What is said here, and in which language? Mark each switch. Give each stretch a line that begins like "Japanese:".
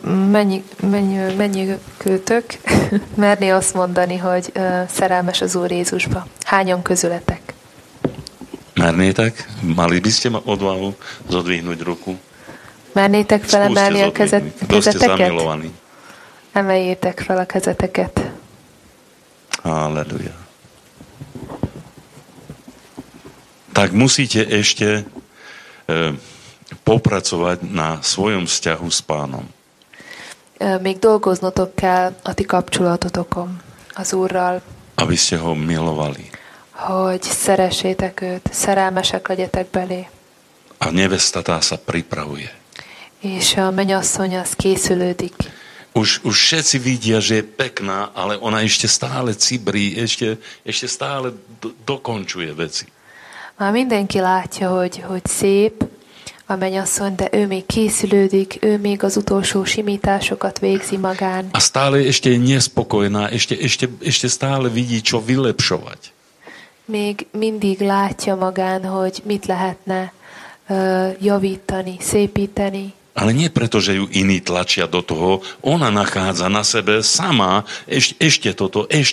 Hungarian: Mennyi kötök merni azt mondani, hogy szerelmes az Úr Jézusba? Hányan közületek? Mernétek?
Slovak: Mali by ste odvahu zodvihnúť ruku?
Hungarian: Mernétek felemelni a kezeteket? Emeljétek fel a kezeteket. Halleluja.
Slovak: Tak musíte ešte popracovať na svojom vzťahu s pánom.
Hungarian: Még dolgoznotok kell a ti kapcsolatotokom az Úrral.
Slovak: Aby ste ho milovali.
Hungarian: Hogy szeressétek őt, szerelmesek legyetek belé.
Slovak: A nevesta tá sa pripravuje.
Hungarian: És a menyasszony az készülődik.
Slovak: Už všetci vidia, že je pekná, ale ona ešte stále cibrí, ešte stále dokončuje veci.
Hungarian: Má mindenki látja, hogy szép a menyasszony, de ő még készülődik, ő még az utolsó simításokat végzi magán.
Slovak: A stále ešte je nespokojná, ešte stále vidí, čo vylepšovať.
Hungarian: Még mindig látja magán, hogy mit lehetne javítani, szépíteni.
Slovak: Ale nie preto, že ju iní tlačia do toho, ona nachádza na sebe sama ešte toto.